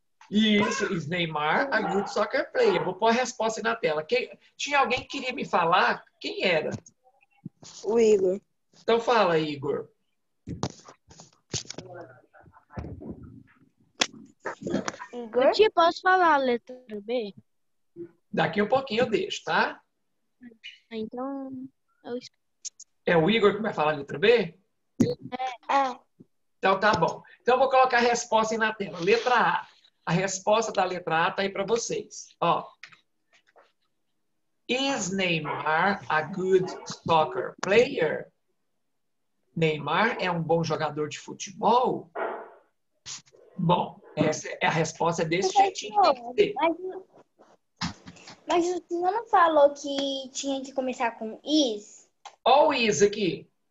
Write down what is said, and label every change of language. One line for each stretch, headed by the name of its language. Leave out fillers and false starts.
Portuguese: Isso,
English: is Neymar a good soccer player.
Portuguese: Vou pôr a resposta aí na tela. Tinha alguém que queria me falar? Quem era? O Igor. Então fala, Igor. Igor? Eu te posso falar a letra B? Daqui um pouquinho eu deixo, tá? Então, é o Igor que vai falar a letra B? É. Então tá bom. Então eu vou colocar a resposta aí na tela. Letra A. A resposta da letra A tá aí para vocês. Ó.
English: Is Neymar a good soccer player?
Portuguese: Neymar é um bom jogador de futebol? Bom, essa é a resposta desse jeitinho que tem que ter. Mas você não falou que tinha que começar com is? Ó o is aqui.